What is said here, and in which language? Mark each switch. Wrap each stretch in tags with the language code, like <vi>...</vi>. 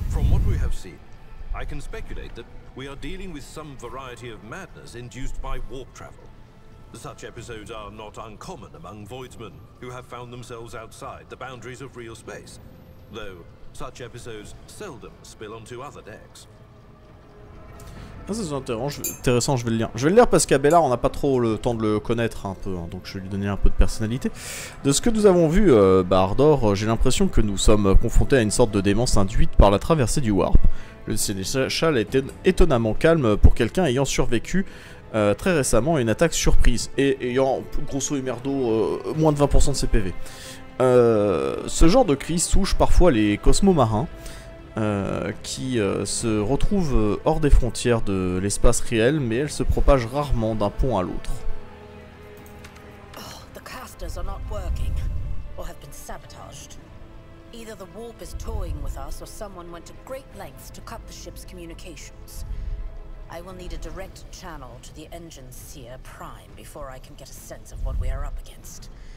<en>From what we have seen, I can speculate that we are dealing with some variety of madness induced by warp travel. Such episodes are not uncommon among voidsmen who have found themselves outside the boundaries of real space, though such episodes seldom spill onto other decks.</en> <fr>Ah, c'est intéressant, je vais le lire parce qu'Abella, on n'a pas trop le temps de le connaître un peu, hein, donc je vais lui donner un peu de personnalité. De ce que nous avons vu, Ardor, j'ai l'impression que nous sommes confrontés à une sorte de démence induite par la traversée du Warp. Le Sénéchal a été étonnamment calme pour quelqu'un ayant survécu très récemment à une attaque surprise et ayant, grosso merdo, moins de 20% de ses PV. Ce genre de crise touche parfois les cosmomarins. Qui se retrouve hors des frontières de l'espace réel, mais elle se propage rarement d'un pont à l'autre.</fr> <en>Oh, the casters are not working, or have been sabotaged. Either the warp is toying with us, or someone went to great lengths to cut the ship's communications. I will need a direct channel to the engine seer prime before I can get a sense of what we are up against.</en>